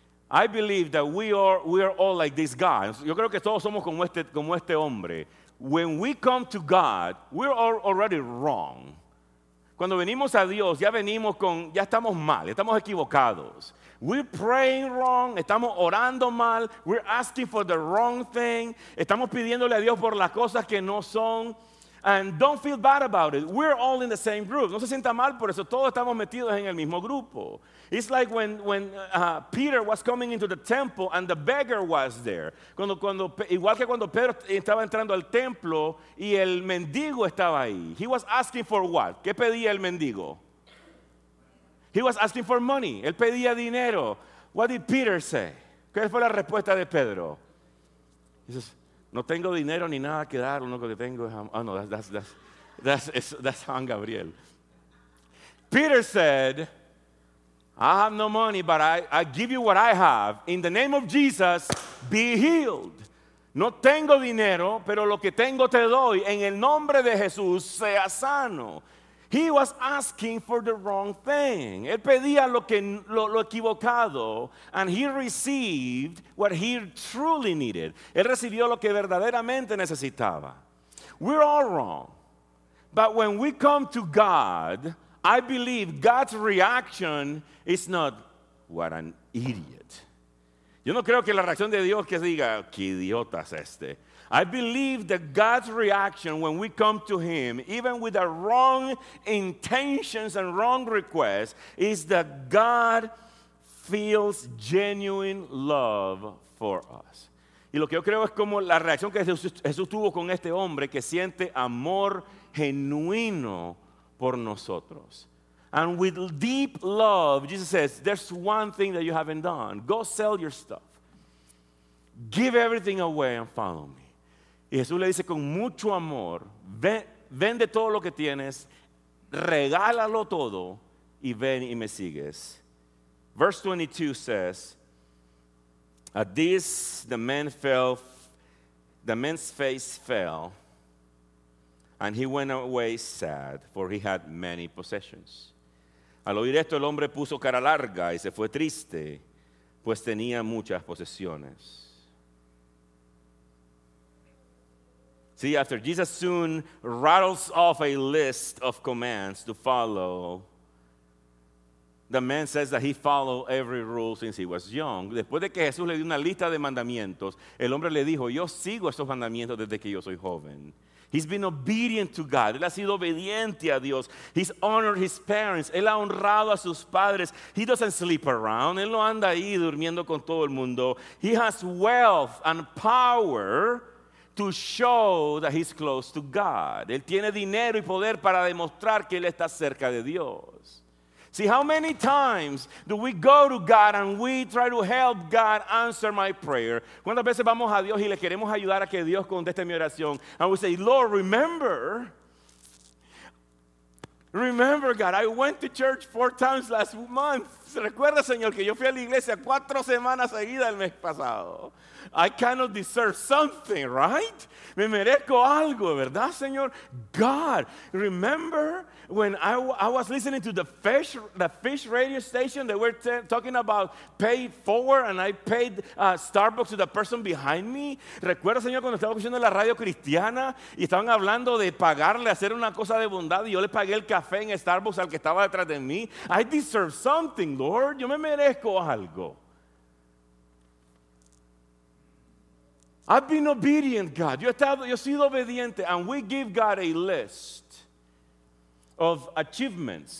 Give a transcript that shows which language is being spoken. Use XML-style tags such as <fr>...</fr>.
<en>I believe that we are all like this guy.</en> <es>Yo creo que todos somos como este hombre.</es> <en>When we come to God, we're all already wrong.</en> <es>Cuando venimos a Dios, ya estamos mal, estamos equivocados.</es> <en>We're praying wrong.</en> <es>Estamos orando mal.</es> <en>We're asking for the wrong thing.</en> <es>Estamos pidiéndole a Dios por las cosas que no son.</es> <en>And don't feel bad about it. We're all in the same group.</en> <es>No se sienta mal por eso. Todos estamos metidos en el mismo grupo.</es> <en>It's like when Peter was coming into the temple and the beggar was there.</en> <es>Cuando igual que cuando Pedro estaba entrando al templo y el mendigo estaba ahí.</es> <en>He was asking for what?</en> <es>¿Qué pedía el mendigo?</es> <en>He was asking for money.</en> <es>Él pedía dinero.</es> <en>What did Peter say?</en> <es>¿Qué fue la respuesta de Pedro?</es> <en>He says,</en> <es>no tengo dinero ni nada que dar. Lo único que tengo es...</es> <en>Oh, no, that's Juan Gabriel. Peter said, I have no money, but I give you what I have. In the name of Jesus, be healed.</en> <es>No tengo dinero, pero lo que tengo te doy. En el nombre de Jesús, sea sano.</es> <en>He was asking for the wrong thing.</en> <es>Él pedía lo equivocado,</es> <en>and he received what he truly needed.</en> <es>Él recibió lo que verdaderamente necesitaba.</es> <en>We're all wrong. But when we come to God, I believe God's reaction is not, what an idiot.</en> <es>Yo no creo que la reacción de Dios que diga, qué idiota es este.</es> <en>I believe that God's reaction when we come to Him, even with the wrong intentions and wrong requests, is that God feels genuine love for us.</en> <es>Y lo que yo creo es como la reacción que Jesús tuvo con este hombre que siente amor genuino por nosotros.</es> <en>And with deep love, Jesus says, there's one thing that you haven't done. Go sell your stuff. Give everything away and follow me.</en> <es>Y Jesús le dice con mucho amor, vende todo lo que tienes, regálalo todo y ven y me sigues.</es> <en>Verse 22 says, at this the man's face fell and he went away sad, for he had many possessions.</en> <es>Al oír esto, el hombre puso cara larga y se fue triste, pues tenía muchas posesiones.</es> <en>See, after Jesus soon rattles off a list of commands to follow, the man says that he followed every rule since he was young.</en> <es>Después de que Jesús le dio una lista de mandamientos, el hombre le dijo, yo sigo estos mandamientos desde que yo soy joven.</es> <en>He's been obedient to God.</en> <es>Él ha sido obediente a Dios.</es> <en>He's honored his parents.</en> <es>Él ha honrado a sus padres.</es> <en>He doesn't sleep around.</en> <es>Él no anda ahí durmiendo con todo el mundo.</es> <en>He has wealth and power to show that he's close to God.</en> <es>Él tiene dinero y poder para demostrar que él está cerca de Dios.</es> <en>See, how many times do we go to God and we try to help God answer my prayer?</en> <es>¿Cuántas veces vamos a Dios y le queremos ayudar a que Dios conteste mi oración?</es> <en>And we say, Lord, remember, God, I went to church 4 times last month.</en> <es>Recuerda, Señor, que yo fui a la iglesia 4 semanas seguidas el mes pasado.</es> <en>I cannot deserve something, right?</en> <es>Me merezco algo, ¿verdad, Señor?</es> <en>God, remember when I was listening to the fish radio station, they were talking about pay forward, and I paid Starbucks to the person behind me.</en> <es>Recuerda, Señor, cuando estaba escuchando la radio cristiana y estaban hablando de pagarle, hacer una cosa de bondad, y yo le pagué el café en Starbucks al que estaba detrás de mí.</es> <en>I deserve something, Lord.</en> <es>Yo me merezco algo.</es> <en>I've been obedient, God.</en> <es>Yo he sido obediente.</es> <en>And we give God a list of achievements.</en>